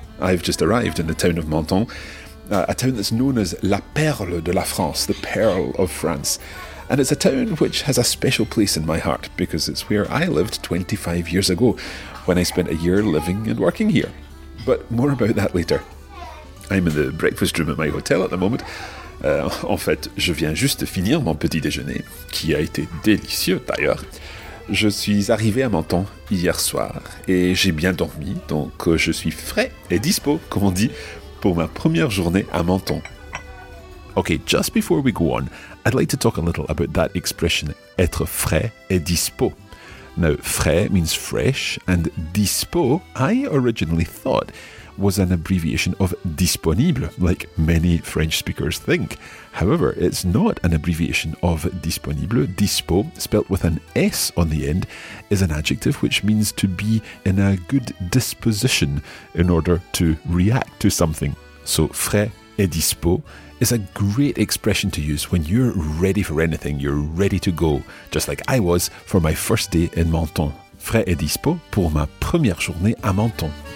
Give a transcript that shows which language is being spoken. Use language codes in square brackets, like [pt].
[en] I've just arrived in the town of Menton, a town that's known as [fr] La Perle de la France, [en] the Pearl of France. And it's a town which has a special place in my heart because it's where I lived 25 years ago when I spent a year living and working here. But more about that later. I'm in the breakfast room at my hotel at the moment. [fr] En fait, je viens juste de finir mon petit déjeuner, qui a été délicieux d'ailleurs. Je suis arrivé à Menton hier soir et j'ai bien dormi, donc je suis frais et dispo, comme on dit, pour ma première journée à Menton. [en] Okay, just before we go on, I'd like to talk a little about that expression, [fr] être frais et dispo. [en] Now, frais means fresh, and dispo, I originally thought, was an abbreviation of disponible, like many French speakers think. However, it's not an abbreviation of disponible. Dispo, spelt with an S on the end, is an adjective which means to be in a good disposition in order to react to something. So, [fr] frais et dispo [en] is a great expression to use when you're ready for anything, you're ready to go, just like I was for my first day in Menton. [fr] Frais et dispo pour ma première journée à Menton.